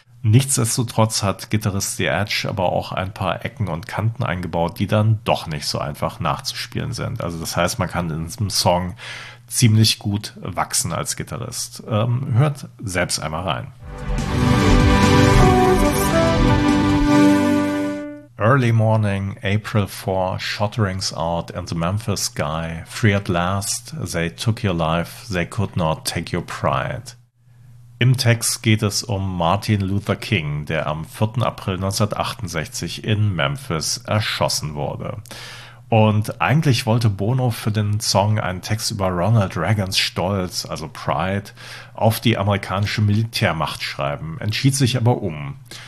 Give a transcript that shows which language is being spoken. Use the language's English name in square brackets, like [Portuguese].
[German] Nichtsdestotrotz hat Gitarrist The Edge aber auch ein paar Ecken und Kanten eingebaut, die dann doch nicht so einfach nachzuspielen sind. Also das heißt, man kann in diesem Song ziemlich gut wachsen als Gitarrist. Hört selbst einmal rein. [English] Early morning, April 4, shotterings out in the Memphis sky. Free at last, they took your life, they could not take your pride. [German] Im Text geht es um Martin Luther King, der am 4. April 1968 in Memphis erschossen wurde. Und eigentlich wollte Bono für den Song einen Text über Ronald Reagans Stolz, also Pride, auf die amerikanische Militärmacht schreiben, entschied sich aber um.